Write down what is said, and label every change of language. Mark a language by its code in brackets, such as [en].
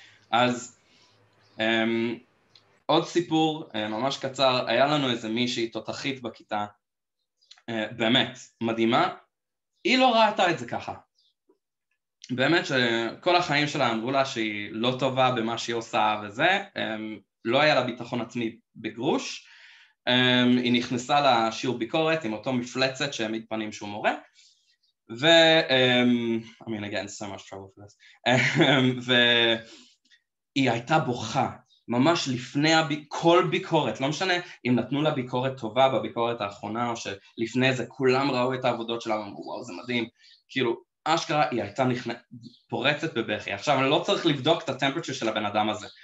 [he] אז עוד סיפור ממש קצר, היה לנו איזה מישהי תותחית בכיתה, באמת, מדהימה, היא לא ראתה את זה ככה. באמת שכל החיים שלה אמרו לה שהיא לא טובה במה שהיא עושה וזה, לא היה לה ביטחון עצמי בגרוש, היא נכנסה לשיעור ביקורת עם אותו מפלצת שהעמיד פנים שהוא מורה, ו... [en] I mean, again, so much trouble for this. [he] והיא הייתה בוכה, ממש לפני כל ביקורת, לא משנה אם נתנו לה ביקורת טובה בביקורת האחרונה, או שלפני זה כולם ראו את העבודות שלה, ואומרו, וואו, זה מדהים. כאילו, אשכרה היא הייתה פורצת בבכי. עכשיו, אני לא צריך לבדוק את הטמפרצ'ר של הבן אדם הזה.